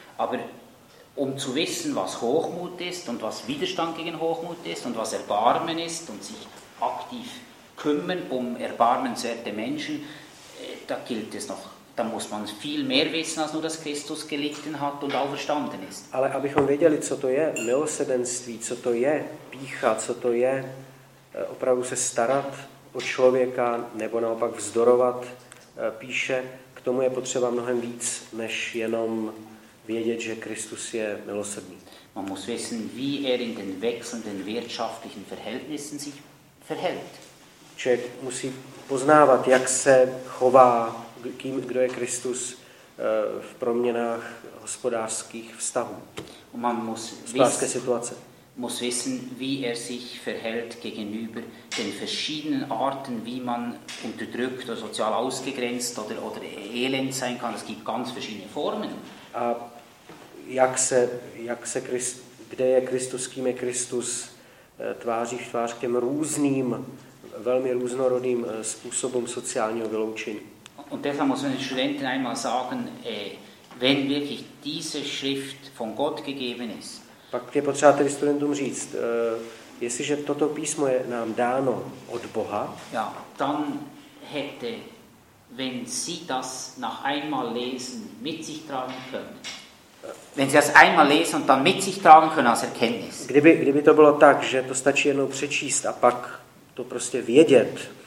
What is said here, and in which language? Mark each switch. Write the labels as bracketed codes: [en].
[de] Aber um zu wissen, was Hochmut ist und was Widerstand gegen Hochmut ist und was Erbarmen ist und sich aktiv kümmern um erbarmenswerte Menschen, da gilt es noch. Da muss man viel mehr wissen, als nur, dass Christus gelitten hat und auferstanden ist. [cs] Ale abychom věděli, co to je milosrdenství, co to je pýcha, co to je opravdu se starat o člověka nebo naopak vzdorovat píše, k tomu je potřeba mnohem víc, než jenom vědět, že Kristus je milosrdný. [de] Man muss wissen, wie er in den wechselnden wirtschaftlichen Verhältnissen sich verhält. [cs] Člověk musí poznávat, jak se chová, kdo je Kristus v proměnách hospodářských vztahů. [de] Man muss [cs] hospodářské situace. [de] Muss wissen, wie er sich verhält gegenüber den verschiedenen Arten, wie man unterdrückt oder sozial ausgegrenzt oder elend sein kann. Es gibt ganz verschiedene Formen. [cs] A jak se Christ, kde je Kristus, kým je Kristus tváří v tvář těm různým, velmi různorodým způsobům sociálního vyloučení. [de] Und deshalb muss man den Studenten einmal sagen, wenn wirklich diese Schrift von Gott gegeben ist. [cs] Pak je potřeba tedy studentům říct, jestliže toto písmo je nám dáno od Boha, [de] ja, dann hätte, wenn sie das nach einmal lesen, mit sich tragen können. Wenn sie das einmal lesen und dann mit sich tragen können als Erkenntnis. [cs] Kdyby to bylo tak, že to stačí jednou přečíst a pak to prostě vědět,